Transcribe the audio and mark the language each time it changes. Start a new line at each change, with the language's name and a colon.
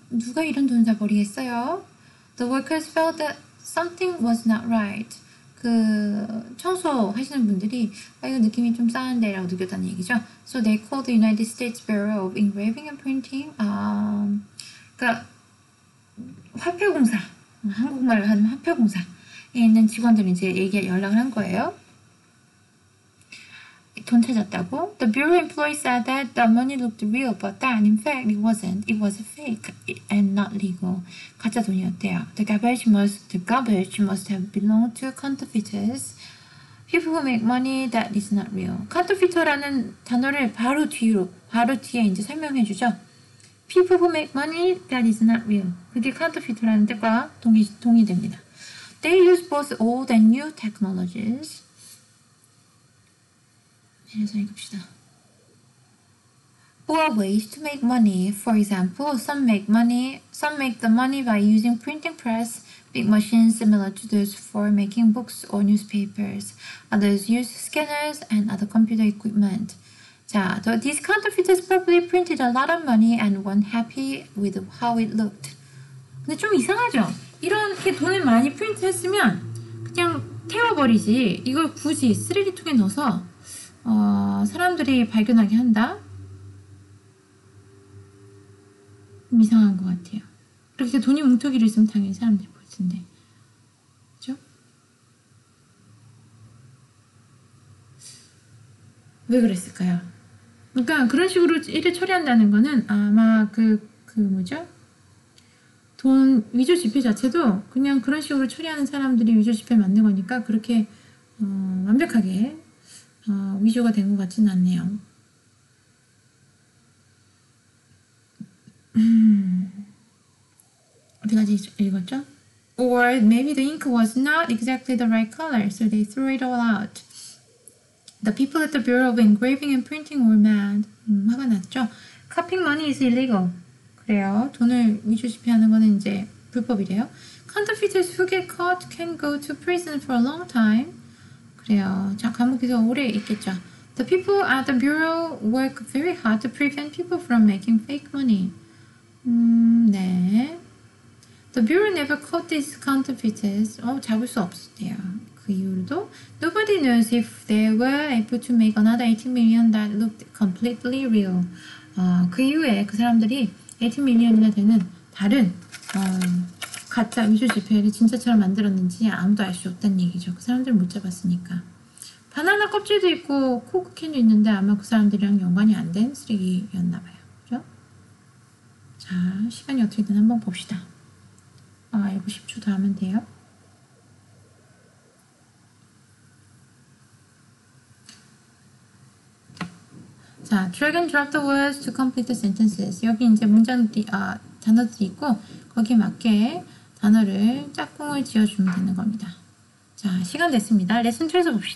Korean: 누가 이런 돈 다 버리겠어요?
English: The workers felt that something was not right.
Korean: 그 청소 하시는 분들이 이거 느낌이 좀 싸는데 라고 느꼈다는 얘기죠.
English: So they called the United States Bureau of Engraving and Printing.
Korean: 그러니까 화폐공사, 한국말로 하면 화폐공사에 있는 직원들이 이제 연락을 한 거예요. 돈 찾았다고?
English: The bureau employee said that the money looked real, but that in fact it wasn't. It was fake and not legal.
Korean: 가짜 돈이었대요.
English: The garbage must have belonged to counterfeiters. People who make money that is not real.
Korean: Counterfeiter라는 단어를 바로 뒤에 이제 설명해 주죠.
English: People who make money that is not real.
Korean: 그게 counterfeiter라는 뜻과 동의됩니다.
English: They use both old and new technologies.
Korean: 읽읍시다.
English: Four ways to make money. For example, some make the money by using printing press, big machines similar to those for making books or newspapers. Others use scanners and other computer equipment. 자, so these counterfeiters probably printed a lot of money and weren't happy with how it looked.
Korean: 근데 좀 이상하죠? 이렇게 돈을 많이 프린트했으면 그냥 태워버리지. 이걸 굳이 쓰레기통에 넣어서 사람들이 발견하게 한다? 좀 이상한 것 같아요. 그렇게 돈이 뭉텅이를 있으면 당연히 사람들이 볼 텐데. 그죠? 왜 그랬을까요? 그러니까 그런 식으로 일을 처리한다는 거는 아마 뭐죠? 돈, 위조 지폐 자체도 그냥 그런 식으로 처리하는 사람들이 위조 지폐 만든 거니까 그렇게, 완벽하게. 위조가 된 것 같진 않네요. 어디까지 읽었죠?
English: Or maybe the ink was not exactly the right color, so they threw it all out. The people at the Bureau of Engraving and Printing were mad.
Korean: 화가 났죠?
English: Copying money is illegal.
Korean: 그래요. 돈을 위조 지폐하는 거는 이제 불법이래요.
English: Counterfeiters who get caught can go to prison for a long time.
Korean: 그래요. 자, 감옥에서 오래 있겠죠.
English: The people at the bureau work very hard to prevent people from making fake money.
Korean: 네.
English: The bureau never caught these counterfeiters.
Korean: 잡을 수 없었대요. 그 이후로도.
English: Nobody knows if they were able to make another $80 million that looked completely real.
Korean: 그 이후에 그 사람들이 $80 million이나 되는 다른 가짜 위조 지폐를 진짜처럼 만들었는지 아무도 알 수 없다는 얘기죠. 그 사람들을 못 잡았으니까. 바나나 껍질도 있고 코크캔도 있는데 아마 그 사람들이랑 연관이 안 된 쓰레기였나 봐요. 그죠? 자, 시간이 어떻게 되나 한번 봅시다. 10초 더 하면 돼요.
English: 자, drag and drop the words to complete the sentences.
Korean: 여기 이제 문장들이, 단어들이 있고 거기에 맞게 단어를 짝꿍을 지어주면 되는 겁니다. 자, 시간 됐습니다. 레슨 2에서 봅시다.